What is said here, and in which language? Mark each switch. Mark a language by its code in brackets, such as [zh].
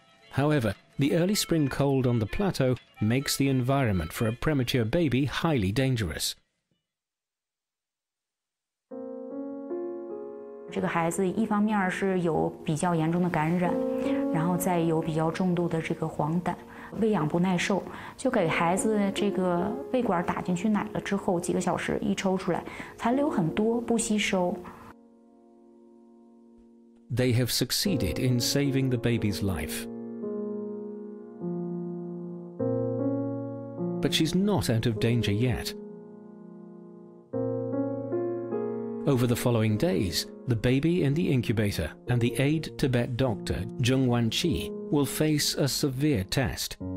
[en] However, the early spring cold on the plateau makes the environment for a premature baby highly dangerous. This child, on one hand, has a very severe infection, then there is a very severe hemorrhage. [zh] 喂养不耐受，就给孩子这个胃管打进去奶了之后，几个小时一抽出来，残留很多不吸收。 [en] They have succeeded in saving the baby's life, but she's not out of danger yet. Over the following days, the baby in the incubator and the aid Tibet doctor Zheng Wangqi will face a severe test.